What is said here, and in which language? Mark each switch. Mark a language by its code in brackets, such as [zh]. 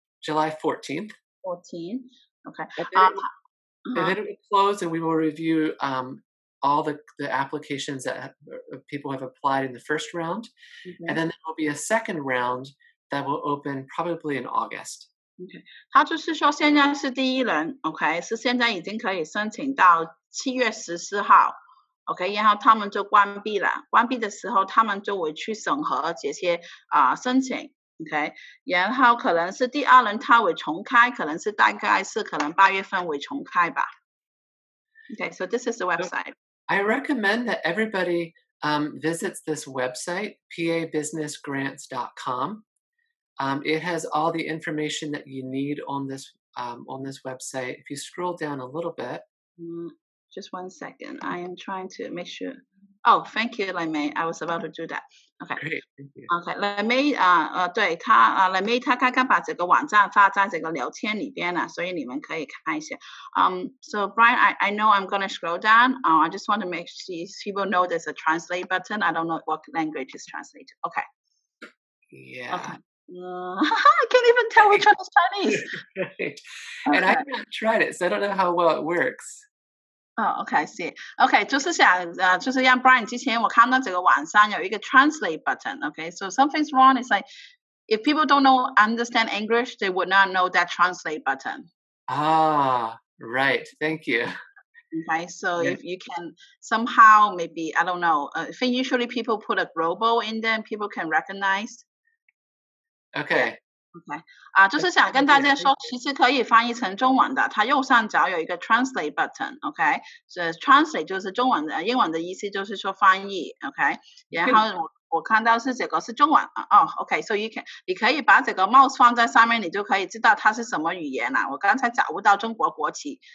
[en] July 14th. 14th, okay. And then it will close, and we will review all the applications that people have applied in the first round, mm-hmm. and then there will be a second round,That will open probably in August. Okay. [zh] 他就是说现在是第一轮 ,OK, 是现在已经可以申请到7月14号 ,OK, 然后他们就关闭了。关闭的时候他们就会去审核这些申请 ,OK, 然后可能是第二轮他会重开，可能是大概是可能8月份会重开吧。 [en] OK, so this is the website. I recommend that everybody visits this website, pabusinessgrants.com. It has all the information that you need on this website. If you scroll down a little bit. Just one second. I am trying to make sure. Oh, thank you, Lemay. I was about to do that. Okay. Great, thank you. [zh] Okay, Lemay, 对他Lemay 他刚刚把这个网站发在这个聊天里边了，所以你们可以看一下。 [en] So Brian, I know I'm going to scroll down. I just want to make sure people know there's a translate button. I don't know what language is translated. Okay. Yeah. Okay. I can't even tell which one is Chinese. And I haven't tried it, so I don't know how well it works. Oh, okay, see. [zh] Okay, 就是想就是让 Brian 之前我看到这个网上有一个 translate button, okay? [en] So something's wrong. It's like, if people don't know, understand English, they would not know that translate button. Ah, right. Thank you. Okay, so yeah. If you can somehow, maybe, I don't know, I think usually people put a global in there, people can recognize. Okay. [zh] 就是想跟大家说，其实可以翻译成中文的。它右上角有一个 translate button. Okay, so translate 就是中文的，英文的意思就是说翻译。 Okay, 然后我看到是这个是中文啊。 [en] Okay, so you can [zh] 你可以把这个 mouse 放在上面，你就可以知道它是什么语言了。我刚才找不到中国国旗。